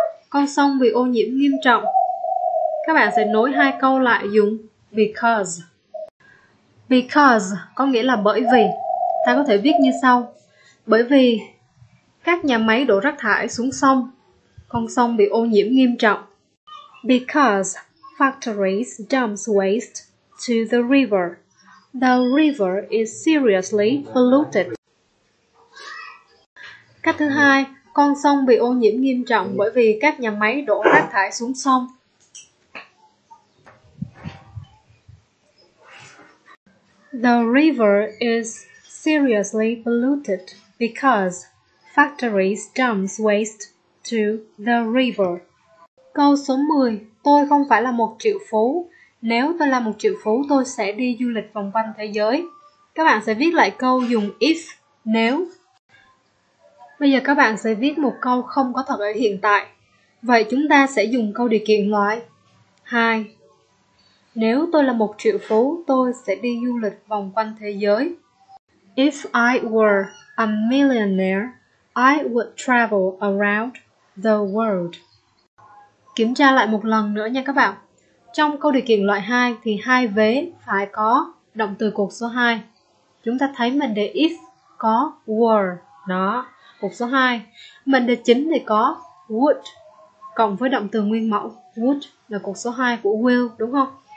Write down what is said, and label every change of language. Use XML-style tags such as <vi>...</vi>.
<vi>Con sông bị ô nhiễm nghiêm trọng. Các bạn sẽ nối hai câu lại dùng because. Because có nghĩa là bởi vì. Ta có thể viết như sau: bởi vì các nhà máy đổ rác thải xuống sông, con sông bị ô nhiễm nghiêm trọng.</vi> <en>Because factories dump waste to the river. The river is seriously polluted.</en> <vi>Cách thứ hai, con sông bị ô nhiễm nghiêm trọng bởi vì các nhà máy đổ rác thải xuống sông.</vi> <en>The river is seriously polluted because factories dump waste to the river.</en> <vi>Câu số 10, tôi không phải là một triệu phú. Nếu tôi là một triệu phú, tôi sẽ đi du lịch vòng quanh thế giới. Các bạn sẽ viết lại câu dùng if, nếu. Bây giờ các bạn sẽ viết một câu không có thật ở hiện tại. Vậy chúng ta sẽ dùng câu điều kiện loại 2. Nếu tôi là một triệu phú, tôi sẽ đi du lịch vòng quanh thế giới.</vi> <en>If I were a millionaire, I would travel around the world.</en> <vi>Kiểm tra lại một lần nữa nha các bạn. Trong câu điều kiện loại 2 thì hai vế phải có động từ cột số 2. Chúng ta thấy mệnh đề if có were, đó, cột số 2. Mệnh đề chính thì có would, cộng với động từ nguyên mẫu, would là cột số 2 của will, đúng không?</vi>